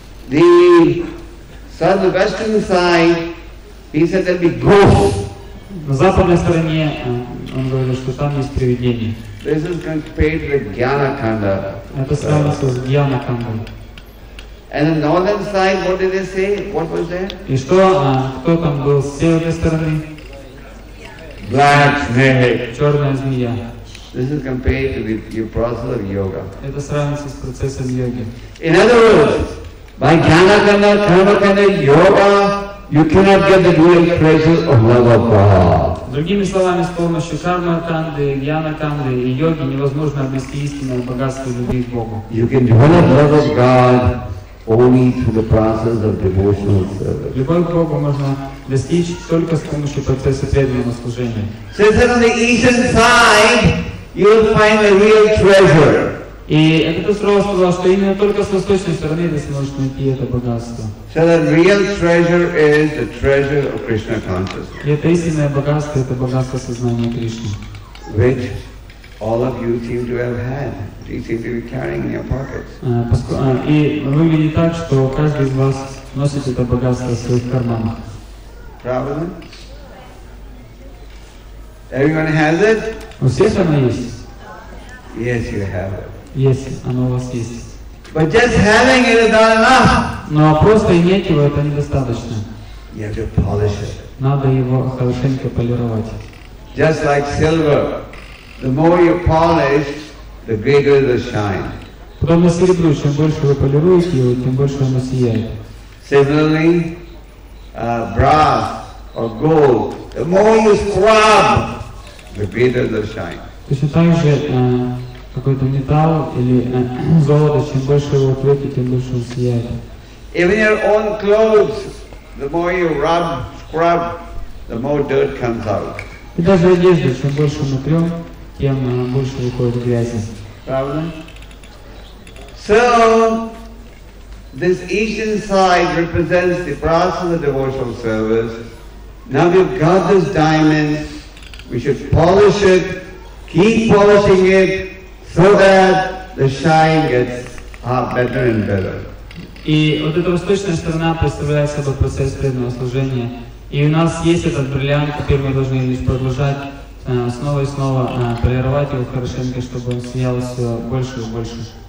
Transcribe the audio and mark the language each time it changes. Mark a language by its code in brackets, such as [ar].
[en] The southwestern side, he said, there'll be ghosts. [ru] На западной стороне он говорил, что там есть привидения. [en] This is compared with Gyanakanda. [ru] Это сравнится с Гьянакандой. [en] And the northern side, what did they say? What was there? [ru] И что? Кто там был с северной стороны? [en] Black snake. [ru] Черная змея. [en] This is compared with your process of yoga. [ru] Это сравнится с процессом йоги. [en] In other words, by Gyanakanda, Karmakanda, yoga, you cannot get the real treasure of Bhagavata. [ru] Другими словами, с помощью карма-канды, гьяна-канды и йоги невозможно обрести истинное богатство любви к Богу. [en] You can develop love of God only through the process of devotional service. [ru] Любовь к Богу можно достичь только с помощью процесса преданного служения. [en] So on the eastern side, you'll find the real treasure. [ru] И это сразу сказал, что именно только с восточной стороны здесь может найти это богатство. [en] So that real treasure is the treasure of Krishna consciousness. [ru] И это истинное богатство, это богатство сознания Кришны. [en] Which all of you seem to have had. You seem to be carrying in your pockets. [ru] И выглядит так, что каждый из вас носит это богатство в своих карманах. Правильно? [en] Everyone has it? [ru] У всех оно есть. [en] Yes, you have it. [ru] Yes, оно у вас есть. [en] But just having it is not enough. [ru] Но просто иметь его это недостаточно. [en] You have to polish it. [ru] Надо его хорошенько полировать. [en] Just like silver, the more you polish, the greater the shine. [ru] Подобно серебру, чем больше вы полируете его, тем больше оно сияет. [en] Similarly, brass or gold, the more you scrub, the greater the shine. [ru] Точно так же. Какой-то металл или золото, чем больше его отвлеки, тем больше он сияет. [en] Even your own clothes, the more you rub, scrub, the more dirt comes out. [ru] И даже одежда, чем больше мы трем, тем больше выходит грязи. Правда? [en] So, this Asian side represents the process of the devotional service. Now we've got this diamond, we should polish it, keep polishing it, so that the shine gets better and better. [ru] И вот эта восточная сторона представляет собой процесс преданного служения. И у нас есть этот бриллиант, который мы должны лишь продолжать снова и снова полировать его хорошенько, чтобы он сиял все больше и больше.